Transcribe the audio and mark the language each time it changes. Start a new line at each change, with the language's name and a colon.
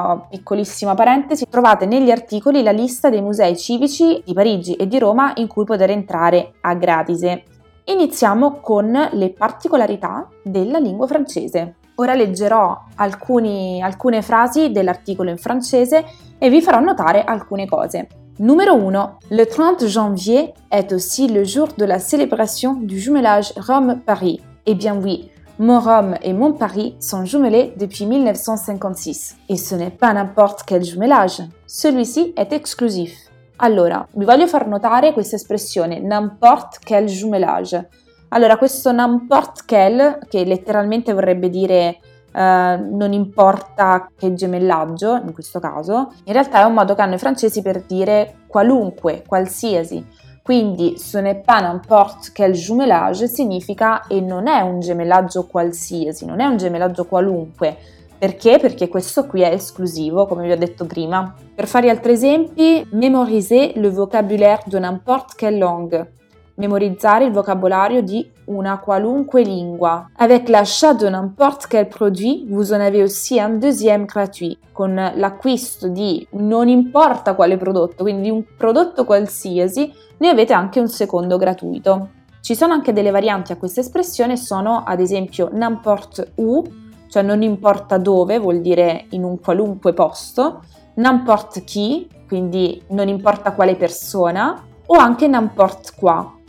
Italian: Piccolissima parentesi, trovate negli articoli la lista dei musei civici di Parigi e di Roma in cui poter entrare a gratis. Iniziamo con le particolarità della lingua francese. Ora leggerò alcune frasi dell'articolo in francese e vi farò notare alcune cose. Numero 1.
French: Le 30 janvier est aussi le jour de la célébration du jumelage Rome-Paris. Eh bien oui, mon Rome et mon Paris sont jumelés depuis 1956. Et ce n'est pas n'importe quel jumelage. Celui-ci est exclusif.
Italian: Allora, vi voglio far notare questa espressione
French: n'importe quel jumelage.
Italian: Allora, questo
French: n'importe quel,
Italian: che letteralmente vorrebbe dire non importa che gemellaggio, in questo caso, in realtà è un modo che hanno i francesi per dire qualunque, qualsiasi. Quindi,
French: ce n'est pas n'importe quel jumelage
Italian: significa e non è un gemellaggio qualsiasi, non è un gemellaggio qualunque. Perché? Perché questo qui è esclusivo, come vi ho detto prima. Per fare altri esempi,
French: mémoriser le vocabulaire de n'importe quelle langue.
Italian: Memorizzare il vocabolario di una qualunque lingua.
French: Avec l'achat de n'importe quel produit, vous en avez aussi un deuxième gratuit.
Italian: Con l'acquisto di non importa quale prodotto, quindi un prodotto qualsiasi, ne avete anche un secondo gratuito. Ci sono anche delle varianti a questa espressione, sono ad esempio
French: n'importe où,
Italian: cioè non importa dove, vuol dire in un qualunque posto,
French: n'importe qui,
Italian: quindi non importa quale persona, o anche
French: n'importe quoi.